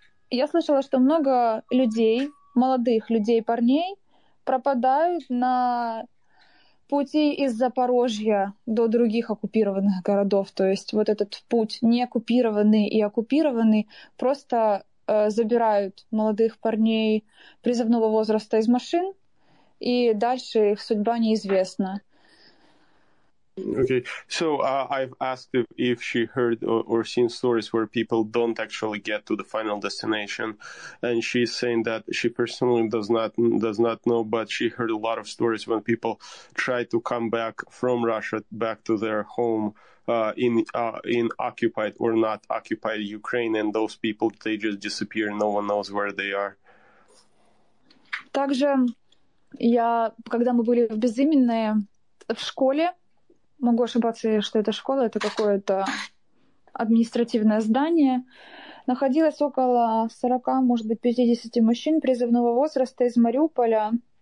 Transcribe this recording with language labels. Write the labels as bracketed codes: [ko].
[ru] Я слышала, что много людей, молодых людей, парней, пропадают на пути из Запорожья до других оккупированных городов. То есть вот этот путь неоккупированный и оккупированный просто забирают молодых парней призывного возраста из машин, и дальше их судьба неизвестна. [en] Okay, so I've asked if she heard or seen stories where people don't actually get to the final destination, and she's saying that she personally does not know, but she heard a lot of stories when people try to come back from Russia back to their home in occupied or not occupied Ukraine, and those people, they just disappear, no one knows where they are. [ru] Также я, когда мы были в Безыменное, в школе, могу ошибаться, что это школа, это какое-то административное здание. Находилось около 40, может быть, 50 мужчин призывного возраста из Мариуполя.